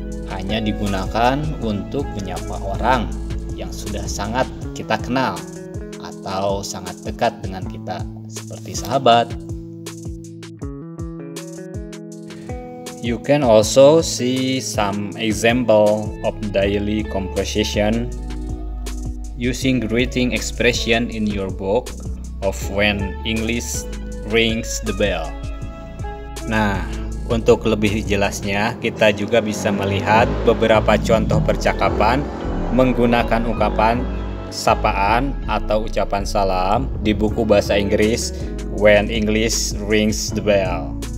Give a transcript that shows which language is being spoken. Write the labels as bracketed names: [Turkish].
[Indonesian] Hanya digunakan untuk menyapa orang yang sudah sangat kita kenal atau sangat dekat dengan kita seperti sahabat. [English] You can also see some example of daily conversation using greeting expression in your book of When English Rings the Bell. [Indonesian] Nah, untuk lebih jelasnya, kita juga bisa melihat beberapa contoh percakapan menggunakan ungkapan sapaan atau ucapan salam di buku bahasa Inggris When English Rings the Bell.